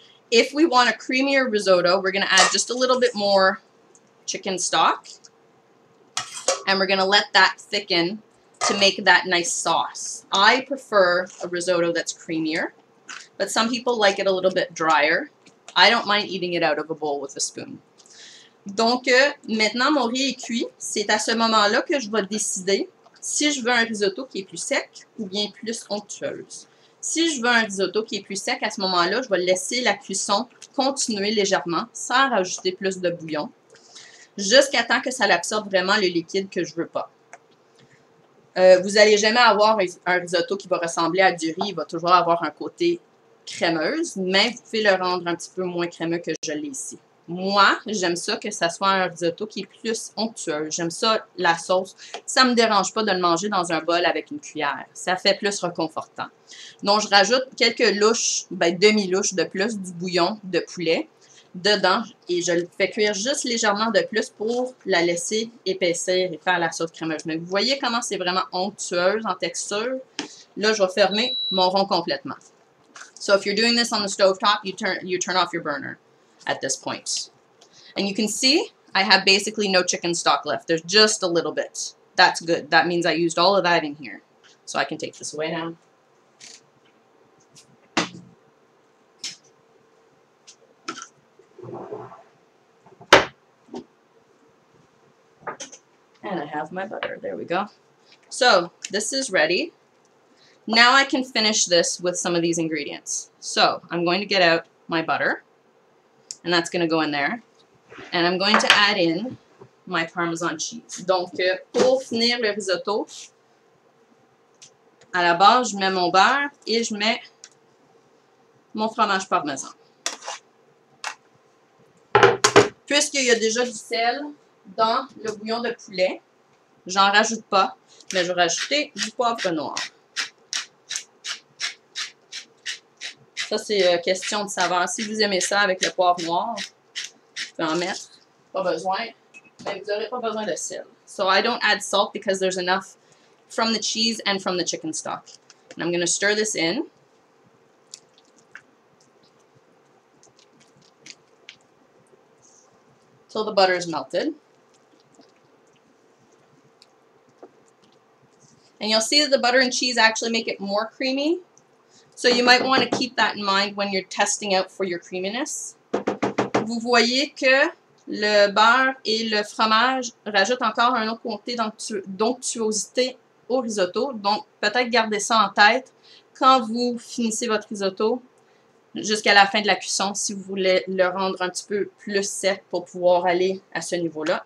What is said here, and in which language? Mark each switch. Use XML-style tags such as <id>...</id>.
<en>If we want a creamier risotto, we're going to add just a little bit more chicken stock. And we're going to let that thicken to make that nice sauce. I prefer a risotto that's creamier, but some people like it a little bit drier. I don't mind eating it out of a bowl with a spoon.</en> <fr>Donc, maintenant mon riz est cuit, c'est à ce moment-là que je vais décider si je veux un risotto qui est plus sec ou bien plus onctueuse. Si je veux un risotto qui est plus sec, à ce moment-là, je vais laisser la cuisson continuer légèrement sans rajouter plus de bouillon, jusqu'à temps que ça absorbe vraiment le liquide que je veux pas. Vous n'allez jamais avoir un risotto qui va ressembler à du riz. Il va toujours avoir un côté crémeuse, mais vous pouvez le rendre un petit peu moins crémeux que je l'ai ici. Moi, j'aime ça que ça soit un risotto qui est plus onctueux. J'aime ça, la sauce. Ça ne me dérange pas de le manger dans un bol avec une cuillère. Ça fait plus réconfortant. Donc, je rajoute quelques louches, demi-louches de plus du bouillon de poulet dedans et je le fais cuire juste légèrement de plus pour la laisser épaissir et faire la sauce crémeuse. Mais vous voyez comment c'est vraiment onctueuse en texture. Là, je vais fermer mon rond complètement.</fr> <en>So if you're doing this on the stovetop, you turn off your burner at this point. And you can see I have basically no chicken stock left. There's just a little bit. That's good. That means I used all of that in here. So I can take this away now. And I have my butter. There we go. So, this is ready. Now I can finish this with some of these ingredients. So, I'm going to get out my butter. And that's going to go in there. And I'm going to add in my Parmesan cheese.</en> <fr>Donc, pour finir le risotto, à la base, je mets mon beurre et je mets mon fromage Parmesan. Puisqu'il y a déjà du sel dans le bouillon de poulet, j'en rajoute pas, mais je vais rajouter du poivre noir. Ça, c'est question de saveur. Si vous aimez ça avec le poivre noir, vous pouvez en mettre. Pas besoin. Mais vous n'aurez pas besoin de sel.</fr> <en>So I don't add salt because there's enough from the cheese and from the chicken stock. And I'm going to stir this in. Till the butter is melted. And you'll see that the butter and cheese actually make it more creamy. So you might want to keep that in mind when you're testing out for your creaminess.</en> <fr>Vous voyez que le beurre et le fromage rajoutent encore un autre côté d'onctuosité au risotto. Donc, peut-être gardez ça en tête quand vous finissez votre risotto jusqu'à la fin de la cuisson si vous voulez le rendre un petit peu plus sec pour pouvoir aller à ce niveau-là.</fr>